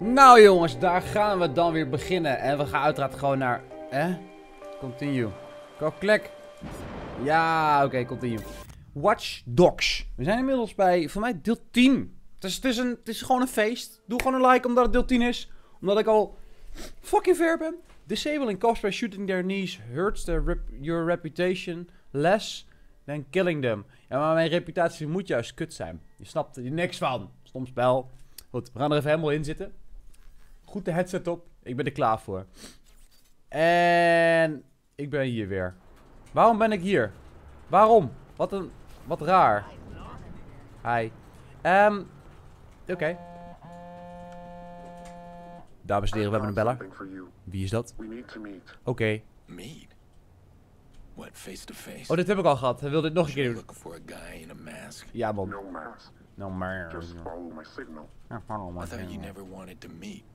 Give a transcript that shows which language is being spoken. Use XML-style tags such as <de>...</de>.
<nl>Nou jongens, daar gaan we dan weer beginnen. En we gaan uiteraard gewoon naar... Continue. Klik. Ja, oké, continue. Watch Dogs. We zijn inmiddels bij, voor mij, deel 10. Het is gewoon een feest. Doe gewoon een like omdat het deel 10 is. Omdat ik al fucking ver ben.</nl> <en>Disabling cops by shooting their knees hurts your reputation less... Then killing them.</en> <nl>Ja, maar mijn reputatie moet juist kut zijn. Je snapt er niks van. Stom spel. Goed, we gaan er even helemaal in zitten. Goed de headset op. Ik ben er klaar voor. En ik ben hier weer. Waarom ben ik hier? Waarom? Wat raar. Hi. Oké. Dames en heren, we hebben een beller. Wie is dat? Oké.</nl> <en>What, face to face?</en> <nl>Oh, dit heb ik al gehad. Hij wilde dit nog een keer doen.</nl> <en>Looking for a guy in a mask.</en> <nl>Ja, man.</nl> <en>No mask. Just follow my signal. I thought you never wanted to meet.</en>